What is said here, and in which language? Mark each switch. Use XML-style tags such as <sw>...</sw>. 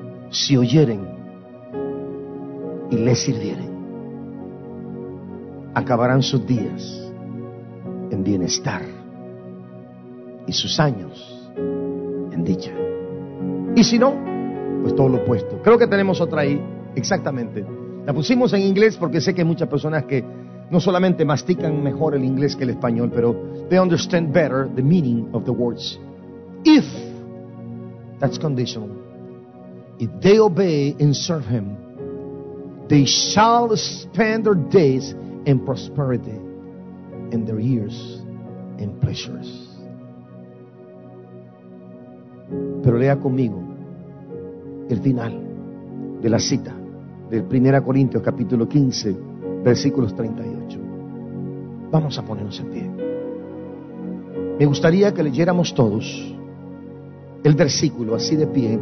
<es>Si oyeren y les sirvieren, acabarán sus días en bienestar y sus años en dicha. Y si no, pues todo lo opuesto. Creo que tenemos otra ahí, exactamente. La pusimos en inglés porque sé que hay muchas personas que no solamente mastican mejor el inglés que el español, pero</es> <en>they understand better the meaning of the words. If, that's conditional, if they obey and serve him, they shall spend their days in prosperity and their years in pleasures.</en> <es>Pero lea conmigo el final de la cita de 1 Corintios capítulo 15, versículos 38. Vamos a ponernos en pie. Me gustaría que leyéramos todos el versículo así de pie.</es>